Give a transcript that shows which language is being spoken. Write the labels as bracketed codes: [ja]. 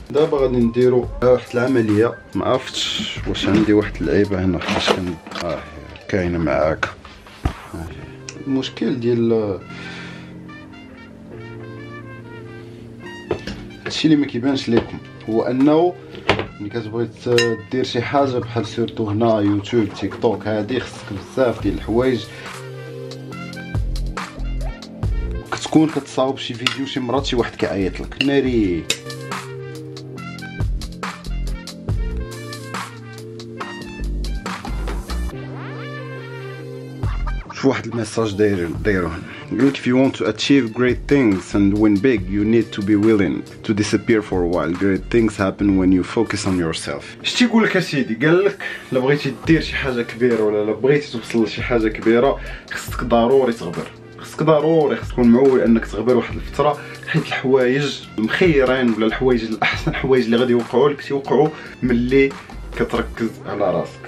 [ar] دابا غادي نديروا واحد العمليه، ما عرفتش واش عندي واحد العيبه هنا فاش كاينه معاك المشكل ديال الشيء اللي ما كيبانش ليكم، هو انه ملي كتبغي دير شي حاجه بحال سورتو هنا يوتيوب تيك توك، هادي خصك بزاف ديال الحوايج كتكون كتصاوب شي فيديو، شي مرات شي واحد كيعيط لك ناري. شوف واحد الميساج دايرو هنا، [en] Look, if you want to achieve great things and win big, you need to be willing to disappear for a while. Great things happen when you focus on yourself. [ar] اش تيقول لك اسيدي؟ قال لك لا بغيتي دير شي حاجه كبيره ولا لا بغيتي توصل لشي حاجه كبيره خصك ضروري تغبر. خصك ضروري خصك تكون معول انك تغبر واحد الفتره حيت الحوايج مخيرين ولا الحوايج الاحسن حوايج اللي غادي يوقعوا لك تيوقعوا ملي كتركز على راسك.